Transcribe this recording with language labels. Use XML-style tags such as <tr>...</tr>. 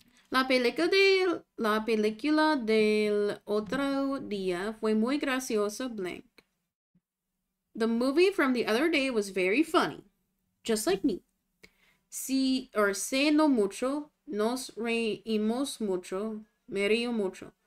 <es>La película del otro día fue muy gracioso blank.</es> <en>The movie from the other day was very funny, just like me.</en> <es>Si or se no mucho, nos reímos mucho, me río mucho.</es>